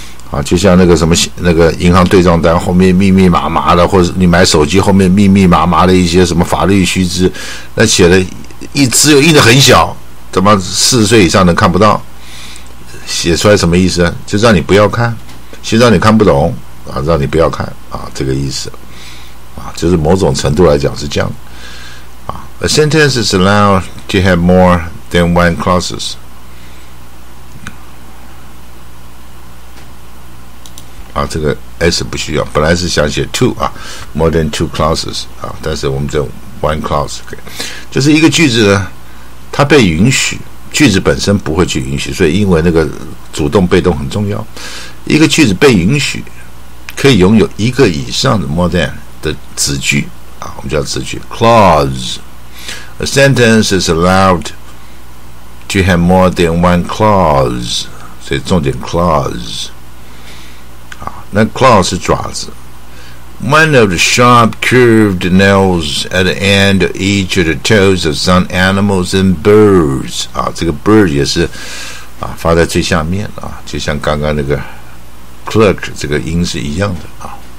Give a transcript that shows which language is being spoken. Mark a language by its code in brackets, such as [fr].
[zh] 啊，就像那个什么那个银行对账单后面密密麻麻的，或者你买手机后面密密麻麻的一些什么法律须知，那写的一字又印的很小，怎么40岁以上能看不到，写出来什么意思，就让你不要看，先让你看不懂啊，让你不要看啊，这个意思啊，就是某种程度来讲是这样啊。 [en] A sentence is allowed to have more than one clauses， [zh] 啊，这个 s 不需要，本来是想写 two 啊 ， [en] more than two clauses [zh] 啊，但是我们这 one clause、okay、就是一个句子呢，它被允许，句子本身不会去允许，所以英文那个主动被动很重要。一个句子被允许，可以拥有一个以上的 more than 的子句啊，我们叫子句 clause。 [en] A sentence is allowed to have more than one clause， [zh] 所以重点 [en] clause。 [zh] 那 claw 是爪子。 [en] One of the sharp curved nails at the end of each of the toes of some animals and birds、 [zh] 啊、这个 bird 也是、啊、发在最下面、啊、就像刚刚那个 clerk 这个音是一样的、啊、